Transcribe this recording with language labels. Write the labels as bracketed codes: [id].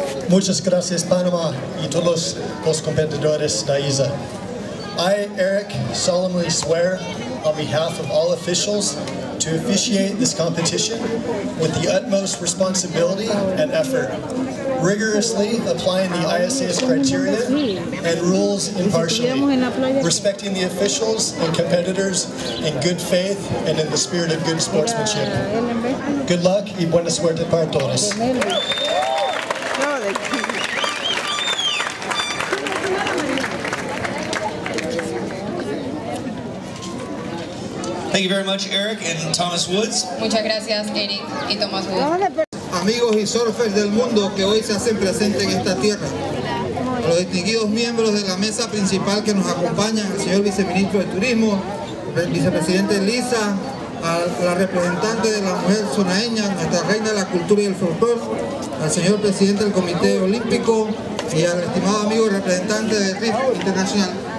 [es] Muchas gracias, Panama, y todos los competidores de ISA. [en] I, Eric, solemnly swear on behalf of all officials to officiate this competition with the utmost responsibility and effort, rigorously applying the ISA's criteria and rules impartially, respecting the officials and competitors in good faith and in the spirit of good sportsmanship. Good luck [es] y buena suerte para todos. [en] Thank you very much, Eric and Thomas Woods. [es] Muchas gracias, Eric y Thomas Woods. Amigos y surfers del mundo que hoy se hacen presentes en esta tierra. A los distinguidos miembros de la mesa principal que nos acompañan, el señor viceministro de Turismo, el vicepresidente Lisa, a la representante de la mujer sonaeña, nuestra reina de la cultura y el folclore, al señor presidente del Comité Olímpico y al estimado amigo representante de RIF Internacional.